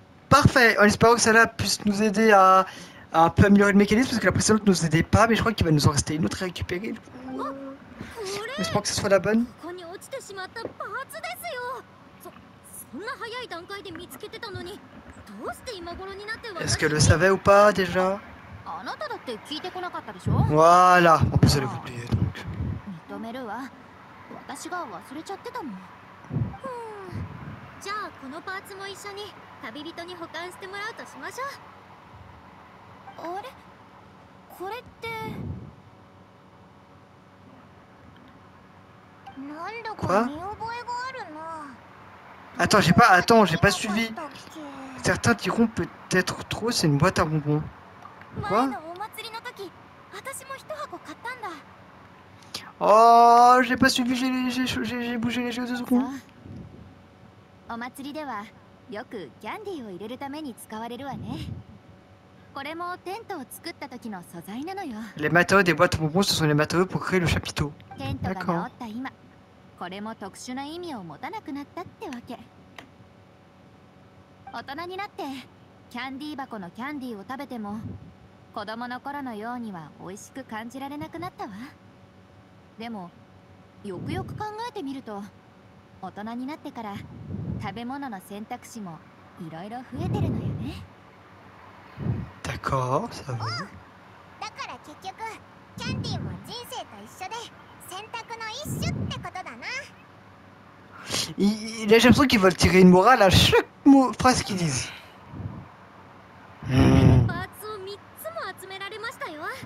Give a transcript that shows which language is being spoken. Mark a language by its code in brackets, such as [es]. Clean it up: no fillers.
[fr] Parfait. On espère que celle-là puisse nous aider à un peu améliorer le mécanisme parce que la précédente nous aidait pas, mais je crois qu'il va nous en rester une autre à récupérer. J'espère que ce soit la bonne. [ja] ここに落ちてしまったパーツですよ。そんな早い段階で見つけてたのに、どうして今頃になって。 [fr] Est-ce qu'elle le savait ou pas déjà? [ja] あなただって聞いてこなかったでしょ。 [fr] Voilà. En plus, elle a oublié. [ja] 止めるわ。私が忘れちゃってたもん。じゃあこのパーツも一緒に旅人に保管してもらうとしましょう。あれ、これってなんだか見覚えがあるな。 [fr] Attends, j'ai pas suivi. Certains diront peut-être trop, c'est une boîte à bonbons. Quoi ? [ja] お祭りの時、私も一箱買ったんだ。 [fr] Oh, j'ai pas suivi, j'ai bougé les yeux deux secondes. [ja] Au matri, では, よく candy を入れるために使われるわね。これもテントを作った時の素材なのよ。 [fr] Les matériaux des boîtes bonbons, ce sont les matériaux pour créer le chapiteau. [ja] テントが治った今、これも特殊な意味を持たなくなったってわけ。大人になって、キャンディー箱のキャンディーを食べても、子供の頃のようには美味しく感じられなくなったわ。でもよくよく考えてみると大人になってから食べ物の選択肢もいろいろ増えてるのよね。 [fr] D'accord, ça va. [ja] だから結局キャンディーも人生と一緒で選択の一種ってことだな。 [fr] Là, j'ai l'impression qu'ils veulent tirer une morale à chaque phrase qu'ils disent. [ja] パーツを3つも集められましたよ。